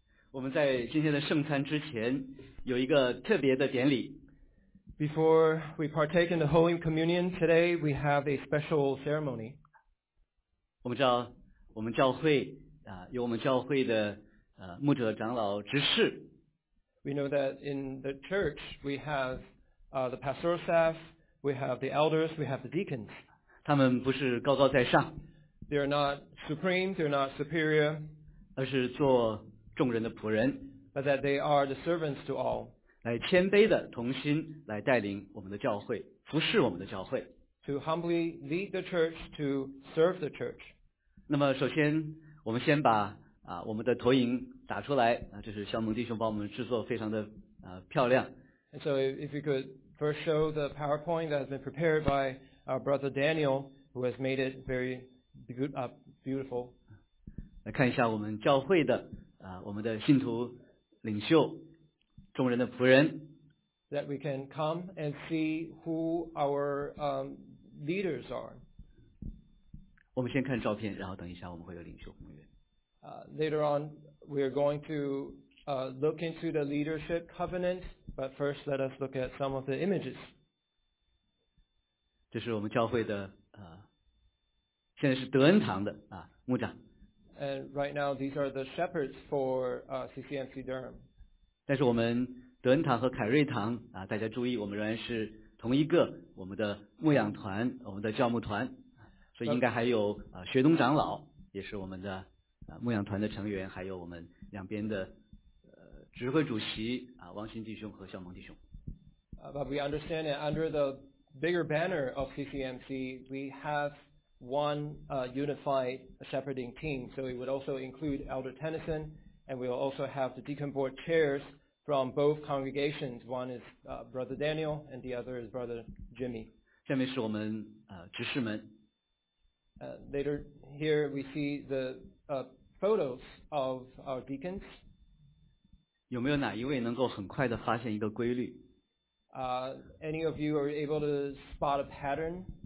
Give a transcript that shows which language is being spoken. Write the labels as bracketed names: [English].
[Chinese] 我们在今天的圣餐之前有一个特别的典礼。 [English] Before we partake in the Holy Communion today, we have a special ceremony. [Chinese] 我们知道我们教会有我们教会的牧者长老执事。 [English] We know that in the church we have the pastoral staff, we have the elders, we have the deacons. [Chinese] 他们不是高高在上。 [English] They are not supreme, they are not superior. [Chinese] 而是做众人的仆人。 [English] But that they are the servants to all. [Chinese] 来谦卑的同心来带领我们的教会，服侍我们的教会。 [English] To humbly lead the church, to serve the church. [Chinese] 那么首先我们先把我们的投影打出来这是肖蒙弟兄帮我们制作非常的漂亮。 [English] And so if you could first show the PowerPoint that has been prepared by our brother Daniel, who has made it very beautiful. [Chinese] 来看一下我们教会的我们的信徒领袖众人的仆人。 [English] That we can come and see who our leaders are. [Chinese] 我们先看照片，然后等一下我们会有领袖公约。 [English] Later on, we are going to look into the leadership covenant, but first let us look at some of the images. [Chinese] 这是我们教会的现在是德恩堂的牧长。 [English] And right now, these are the shepherds for CCMC Durham. [Chinese] 但是我们德恩堂和凯瑞堂大家注意，我们仍然是同一个我们的牧养团，我们的教牧团。所以应该还有学东长老也是我们的牧养团的成员，还有我们两边的指挥主席王新弟兄和肖蒙弟兄。 [English] But we understand that under the bigger banner of CCMC, we have one unified shepherding team. So it would also include Elder Tennyson, and we will also have the deacon board chairs from both congregations. One is Brother Daniel, and the other is Brother Jimmy. [Chinese] 下面是我们执事们。 [English] Later here we see the photos of our deacons. [Chinese] 有没有哪一位能够很快的发现一个规律？ [English] Any of you are able to spot a pattern?